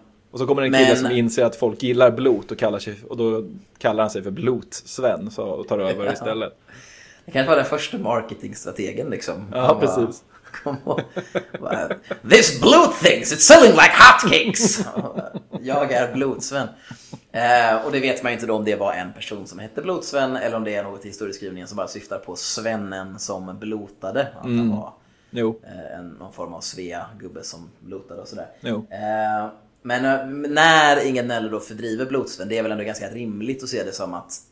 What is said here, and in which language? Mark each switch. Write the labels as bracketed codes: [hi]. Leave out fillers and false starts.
[sv] Och så kommer en kille som inser att folk gillar blot och kallar sig, och då kallar han sig för Blotsven så, och tar över istället. Det kanske var den första marketingstrategen liksom. Ja, han precis. Bara, [en] this blot things, it's selling like hotcakes! [sv] Jag är Blotsven. Och det vet man ju inte då om det var en person som hette Blotsven eller om det är något i historieskrivningen som bara syftar på svennen som blotade. Att han var någon form av svea gubbe som blotade och sådär. Men när Ingen Nelle då fördriver Blotsven, det är väl ändå ganska rimligt att se det som att